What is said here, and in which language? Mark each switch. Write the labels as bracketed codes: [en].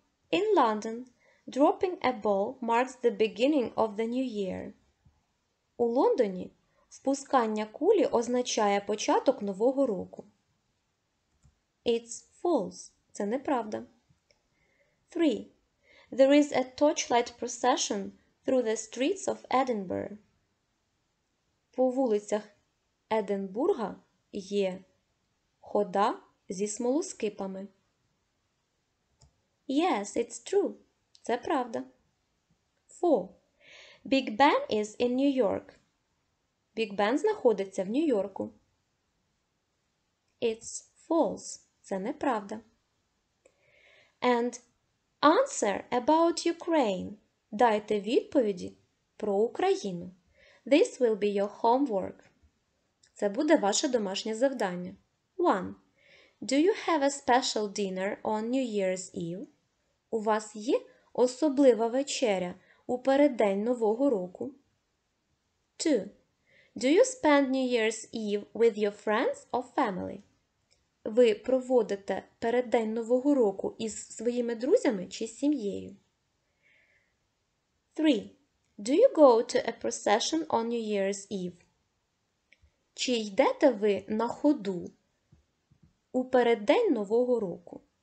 [en] In London, dropping a ball marks the beginning of the new year. [uk] У Лондоні впускання кулі означає початок нового року. [en] It's false. [uk] Це неправда. [en] 3. There is a torchlight procession through the streets of Edinburgh. [uk] По вулицях Единбурга є хода зі смолоскипами. [en] Yes, it's true. [uk] Це правда. [en] 4. Big Ben is in New York. [uk] Big Ben знаходиться в Нью-Йорку. [en] It's false. [uk] Це неправда. [en] And answer about Ukraine. [uk] Дайте відповіді про Україну. [en] This will be your homework. [uk] Це буде ваше домашнє завдання. 1. [en] Do you have a special dinner on New Year's Eve? [uk] У вас є особлива вечеря у переддень Нового року? 2. [en] Do you spend New Year's Eve with your friends or family? [uk] Ви проводите переддень Нового року із своїми друзями чи сім'єю? 3. [en] Do you go to a procession on New Year's Eve? [uk] Чи йдете ви на ходу у переддень Нового року?